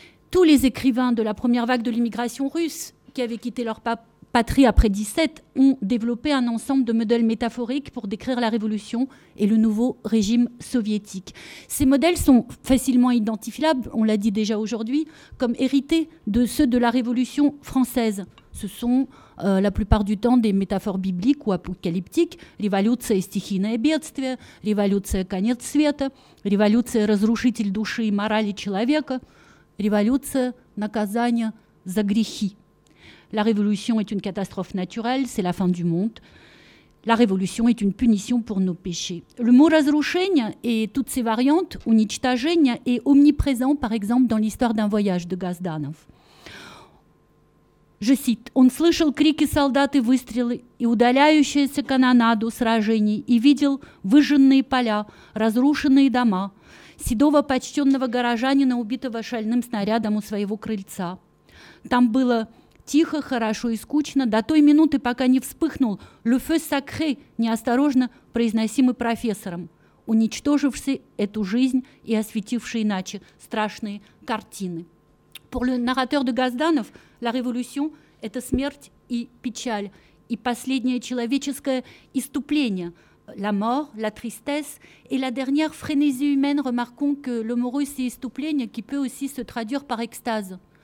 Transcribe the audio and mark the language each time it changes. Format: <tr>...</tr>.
<fr>Tous les écrivains de la première vague de l'immigration russe qui avaient quitté leur patrie après 17 ont développé un ensemble de modèles métaphoriques pour décrire la révolution et le nouveau régime soviétique. Ces modèles sont facilement identifiables, on l'a dit déjà aujourd'hui, comme hérités de ceux de la révolution française. Ce sont la plupart du temps des métaphores bibliques ou apocalyptiques.</fr> <ru>Революция стихийное бедствие, революция конец света, революция разрушитель души и морали человека, революция наказание за грехи.</ru> <fr>La révolution est une catastrophe naturelle, c'est la fin du monde. La révolution est une punition pour nos péchés. Le mot разрушение et toutes ses variantes, уничтожение, est omniprésent, par exemple, dans l'histoire d'un voyage de Газданов. Je cite,</fr> <ru>«Он слышал крики солдат и выстрелы, и удаляющуюся канонаду сражений, и видел выжженные поля, разрушенные дома, седого почтенного горожанина, убитого шальным снарядом у своего крыльца. Там было тихо, хорошо и скучно, до той минуты, пока не вспыхнул</ru> <fr>«le feu sacré»,</fr> <ru>неосторожно произносимый профессором, уничтоживший эту жизнь и осветивший иначе страшные картины».</ru> <fr>Pour le narrateur de Газданов, la révolution –</fr> <ru>это смерть и печаль, и последнее человеческое исступление,</ru> <fr>la mort, la tristesse, et la dernière frénésie humaine, remarquons que le mot russe est исступление, qui peut aussi se traduire par extase.</fr>